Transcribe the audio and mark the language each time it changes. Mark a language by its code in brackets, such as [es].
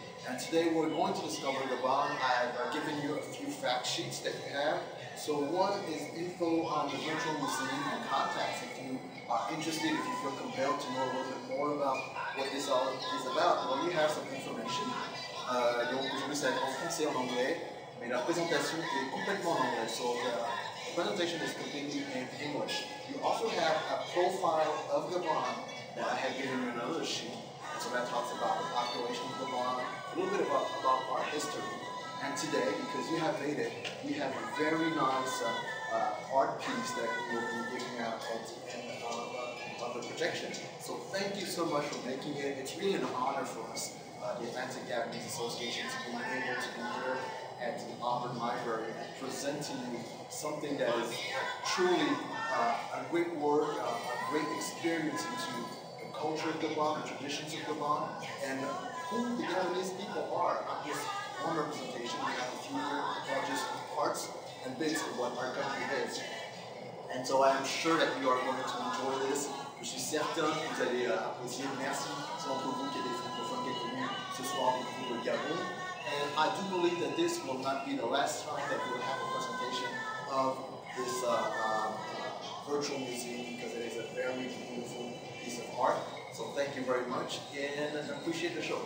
[en] And today we're going to discover Gabon. I've given you a few fact sheets that you have. So one is info on the virtual museum and contacts. If you are interested, if you feel compelled to know a little bit more about what this all is about, well, you have some information. [fr] Donc je vais être en français en anglais, mais la présentation est complètement en anglais. [en] So the presentation is completely in English. You also have a profile of Gabon that I have given you another sheet. So that talks about the population of Gabon, a little bit about our history. And today, because you have made it, we have a very nice art piece that we will be giving out at the end of the projection. So thank you so much for making it. It's really an honor for us, the Atlantic Gabonese Association, to be able to be here at the Auburn Library presenting you something that is truly a great work, a great experience into the culture of Gabon, the traditions of Gabon, and who the Gabonese people are. On this one representation, we have a few largest parts and bits of what our country is. And so I am sure that you are going to enjoy this. [fr] Je suis certain que vous allez apprécier. Merci, c'est entre vous qui êtes les francophones qui êtes venus ce soir avec vous au Gabon. [en] And I do believe that this will not be the last time that we'll have a presentation of this virtual museum, because it is a very beautiful piece of art. So thank you very much, and I appreciate the show.